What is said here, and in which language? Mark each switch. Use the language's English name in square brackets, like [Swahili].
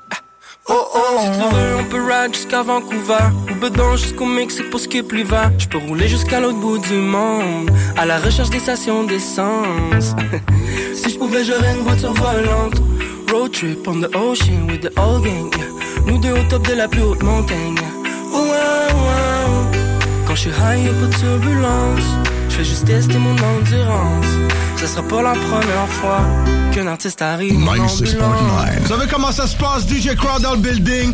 [French] Canada jusqu'à Vancouver, ou bedon jusqu'au Mexique pour ce qui est plus va. Je peux rouler jusqu'à l'autre bout du monde, à la recherche des stations d'essence. Si je pouvais, j'aurais une voiture volante. [English] Road trip on the ocean with the whole gang. [French] Nous deux au top de la plus haute montagne. Ouah, ouah. Quand je suis high, y'a pas de turbulence. Je fais juste tester mon endurance. Ce sera pas la première fois qu'un artiste arrive en ambulance. Vous savez comment ça se passe? DJ Crowd dans le building.